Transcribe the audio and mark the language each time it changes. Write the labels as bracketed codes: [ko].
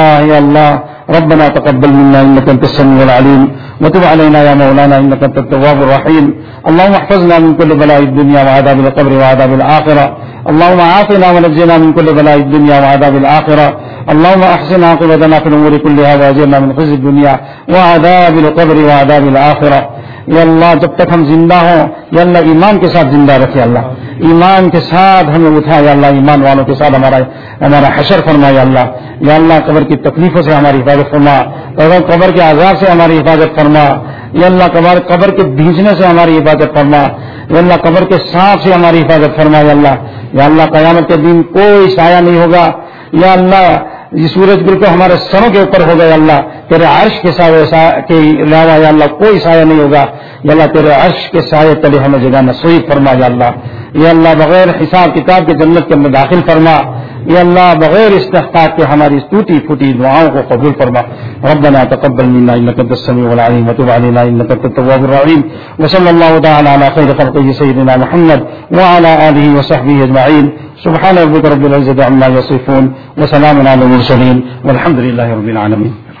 [ar] یا اللہ ربنا تقبل منا انك انت السميع العليم وتب علينا يا مولانا انك انت التواب الرحيم. اللهم احفظنا من كل بلاء الدنيا وعذاب القبر وعذاب الاخره. اللهم عافنا ونجنا من كل بلاء الدنيا وعذاب الاخره. اللهم احسن عاقبتنا في الامور كلها واجرنا من خزي الدنيا وعذاب القبر وعذاب الاخره. [ur] یا اللہ جب تک ہم زندہ ہوں, یا اللہ ایمان کے ساتھ زندہ رکھے. اللہ ایمان کے ساتھ ہمیں اٹھا. یا اللہ ایمان والوں کے ساتھ ہمارا حشر فرما. یا اللہ قبر کی تکلیفوں سے ہماری حفاظت فرما. قبر کے عذاب سے ہماری حفاظت فرما. یا اللہ قبر کے بھیجنے سے ہماری حفاظت فرما. یا اللہ قبر کے سانپ سے ہماری حفاظت فرما. یا اللہ قیامت کے دن کوئی سایہ نہیں ہوگا. یا اللہ یہ سورج بالکل ہمارے سروں کے اوپر ہوگا. یا اللہ تیرے عرش کے سائے کے علاوہ یا اللہ کوئی سایہ نہیں ہوگا. یا اللہ تیرے عرش کے سائے تلے ہمیں جگہ نصیب فرما. یا اللہ بغیر حساب کتاب کے جنت کے اندر داخل فرما. یا اللہ بغیر استحقاق کے ہماری ٹوٹی پھوٹی دعاؤں کو قبول فرما. [ar] ربنا تقبل منا انك انت السميع العليم وتب علينا انك انت التواب الرحيم. وصلى الله تعالى على خير خلقه سيدنا محمد وعلى اله وصحبه اجمعين. سبحان ربك رب العزة عما يصفون وسلام على المرسلين والحمد لله رب العالمين.